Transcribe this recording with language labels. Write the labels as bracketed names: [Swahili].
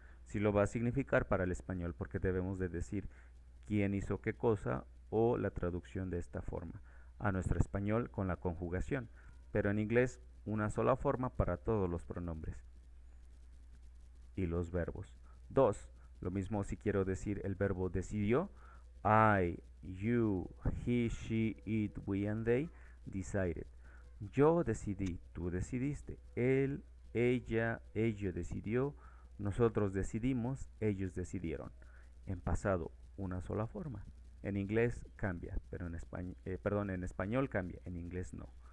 [Spanish] Sí lo va a significar para el español, porque debemos de decir quién hizo qué cosa o la traducción de esta forma a nuestro español con la conjugación. Pero en inglés, una sola forma para todos los pronombres y los verbos. Dos, lo mismo si quiero decir el verbo decidió. [English] I, you, he, she, it, we and they decided. [Spanish] Yo decidí, tú decidiste, él, ella, ello decidió, nosotros decidimos, ellos decidieron. En pasado, una sola forma. En inglés cambia, pero en español, perdón, en español cambia, en inglés no.